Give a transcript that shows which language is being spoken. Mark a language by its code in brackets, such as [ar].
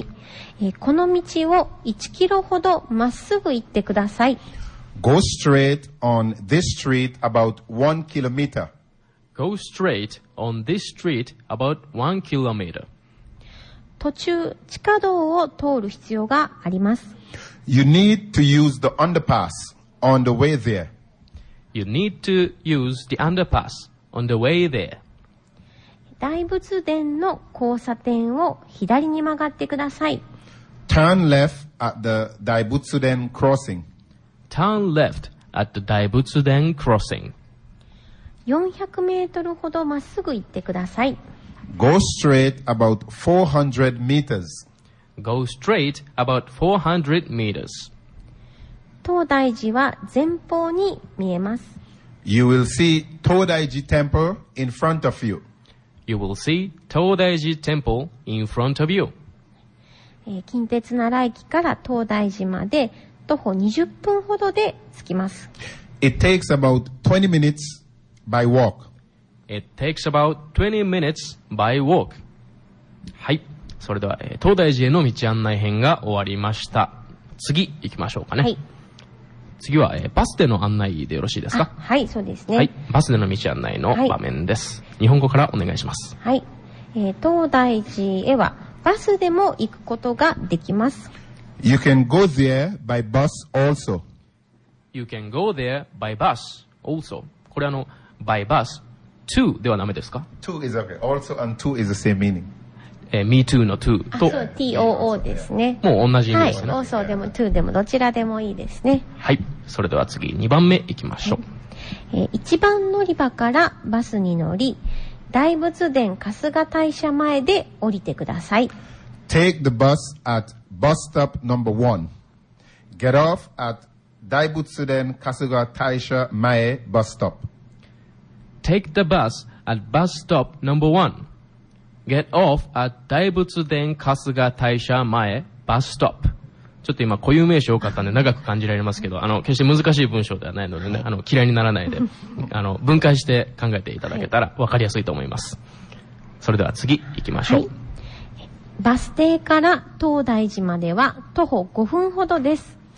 [ja] はい、はい、この道を1キロほどまっすぐ行ってください。 [en] Go straight on this street about 1 kilometer. Go straight on this street about 1 kilometer. [ja] 途中、地下道を通る必要があります。 [en] You need to use the underpass on the way there. You need to use the underpass on the way there. [ja] 大仏殿の交差点を左に曲がってください。 [en] Turn left at the 大仏殿 crossing. Turn left at the 大仏殿 crossing. [ja] 400メートルほどまっすぐ行ってください。 [en] Go straight about 400 meters. Go straight about 400 meters. [ja] 東大寺は前方に見えます。 [en] You will see 東大寺 temple in front of you. You will see 東大寺 temple in front of you. [ja] 近鉄奈良駅から東大寺まで徒歩20分ほどで着きます。 [en] It takes about 20 minutes by walk. It takes about 20 minutes by walk. はい。 [ja] それでは、東大寺への道案内編が終わりました。次、行きましょうかね。はい。次は、バスでの案内でよろしいですか？はい、そうですね。はい。バスでの道案内の場面です。はい、日本語からお願いします。はい。東大寺へは、バスでも行くことができます。 [en] You can go there by bus also. You can go there by bus also. [ja] これ [en] by bus, to [ja] ではダメですか？ [en] To is okay. Also and to is the same meaning. Me too [ja] の to と、 T-O-O ですね。もう同じ意味ですね。はい、also でも to でもどちらでもいいですね。はい、それでは次2番目いきましょう。はい、一番乗り場からバスに乗り、大仏殿春日大社前で降りてください。 [en] Take the bus at bus stop number one. Get off at 大仏殿春日大社前 bus stop. Take the bus at bus stop number one. Get off at 大仏殿春日大社前 bus stop. [ja] ちょっと今固有名詞多かったんで長く感じられますけど、決して難しい文章ではないのでね、嫌いにならないで、分解して考えていただけたら分かりやすいと思います。それでは次行きましょう、はい。バス停から東大寺までは徒歩5分ほどです。